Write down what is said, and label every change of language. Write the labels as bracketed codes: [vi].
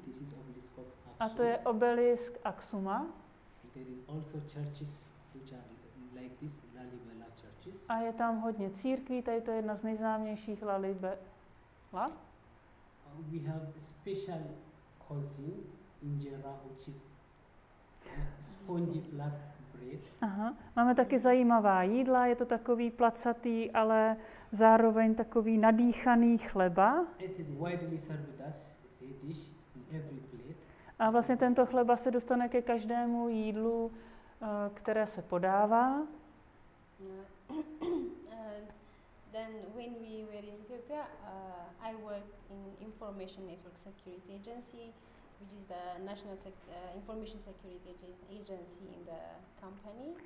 [en] This is Obelisk of Aksum. [cs] A to je obelisk Aksuma. [en] There is also churches which are like this, Lalibela churches. [cs] A je tam hodně církví, tady to je jedna z nejznámějších Lalibela. [en] We have a special cuisine, injera, which is spongy flat bread. [cs] Aha. Máme taky zajímavá jídla, je to takový placatý, ale zároveň takový nadýchaný chleba. [en] It is widely served as a dish in every plate. [cs] A vlastně tento chleba se dostane ke každému jídlu, které se podává. [en] Then when we were in Ethiopia, I worked in Information Network Security Agency, which is the national information security agency in the company.